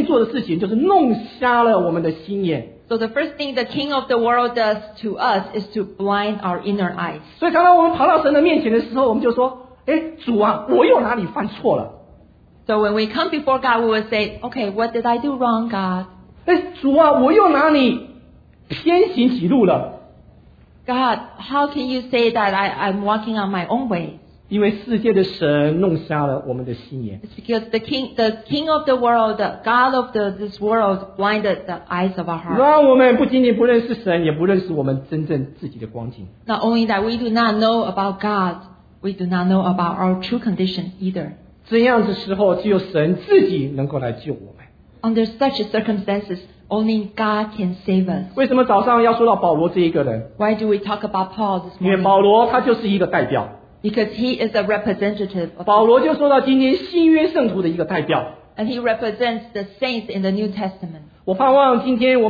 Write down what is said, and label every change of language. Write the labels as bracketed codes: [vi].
[zh] 今天世界的王在我们所有人身上，他第一件做的事情就是弄瞎了我们的心眼。 [en] So the first thing the king of the world does to us is to blind our inner eyes. [zh] 所以刚刚我们跑到神的面前的时候，我们就说：“哎，主啊，我又哪里犯错了？” [en] So when we come before God, we will say, okay, what did I do wrong, God? [zh] 诶，主啊，我又哪里偏行歧路了？ [en] God, how can you say that I'm walking on my own way? It's because the king of the world, the God of this world, blinded the eyes of our heart. [zh] 让我们不仅仅不认识神，也不认识我们真正自己的光景。 [en] Not only that, we do not know about God, we do not know about our true condition either. [zh] 这样的时候，只有神自己能够来救我们。 [en] Under such circumstances, only God can save us. [zh] 为什么早上要说到保罗这一个人？ [en] Why do we talk about Paul this morning? [zh] 因为保罗他就是一个代表。 [en] Because he is a representative of [zh] 保罗就说到今天新约圣徒的一个代表。 [en] And he represents the saints in the New Testament.